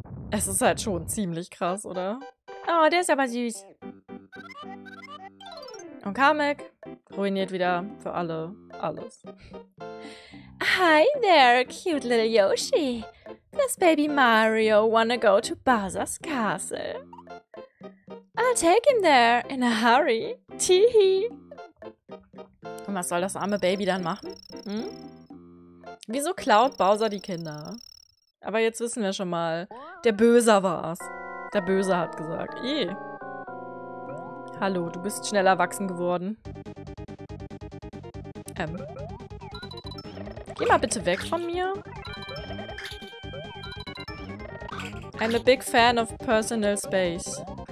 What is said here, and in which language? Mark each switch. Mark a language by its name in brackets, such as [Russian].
[German] Es ist halt schon ziemlich krass, oder? Oh, der ist aber süß. Und Kamek ruiniert wieder für alle alles. [English] Hi there, cute little Yoshi. Does baby Mario wanna go to Bowser's castle? I'll take him there in a hurry. Teehee. [German] Und was soll das arme Baby dann machen? Hm? Wieso klaut Bowser die Kinder? Aber jetzt wissen wir schon mal, der Böse war's. Der Böse hat gesagt. Ih. Hallo, du bist schnell erwachsen geworden. Geh mal bitte weg von mir. [English] I'm a big fan of personal space.